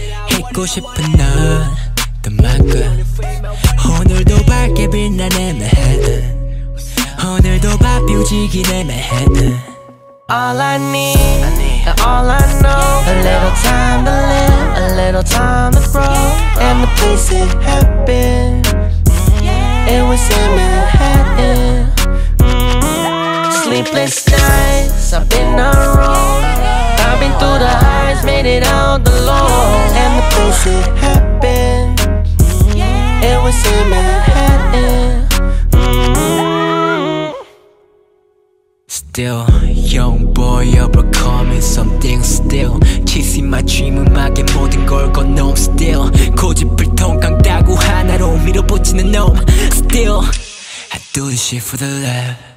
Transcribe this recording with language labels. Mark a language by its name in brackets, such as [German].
[Korean] 잊고 싶은 넌 또 맞고 오늘도 밝게 빛나네 맨해튼 오늘도 바삐 움직이네 맨해튼. [English] All I need and all I know, a little time to live, a little time to grow, and the place it happened, it was in Manhattan. Sleepless nights, I've been on the road, I've been through the highs, made it out the low, and the place it happened, it was in Manhattan. Still. still. Young boy overcoming something still. Chasing my dream [Korean] 음악에 모든 걸 건놈 [English] still. [Korean] 고집을 통깡 따고 하나로 밀어붙이는 놈 [English] still. I do this shit for the love.